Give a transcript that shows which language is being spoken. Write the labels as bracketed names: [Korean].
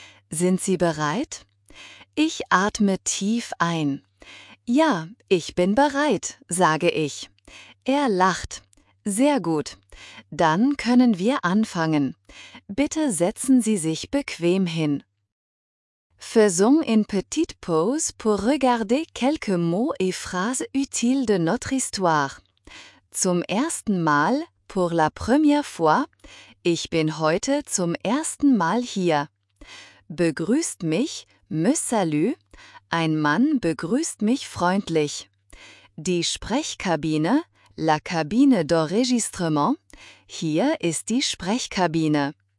[German] Sind Sie bereit? Ich atme tief ein. Ja, ich bin bereit, sage ich. Er lacht. Sehr gut. Dann können wir anfangen. Bitte setzen Sie sich bequem hin. [French] Faisons une petite pause pour regarder quelques mots et phrases utiles de notre histoire. [German] Zum ersten Mal, [French] pour la première fois, [German] ich bin heute zum ersten Mal hier. Begrüßt mich, [French] me salue, [German] ein Mann begrüßt mich freundlich. Die Sprechkabine, [French] la cabine d'enregistrement, [German] hier ist die Sprechkabine.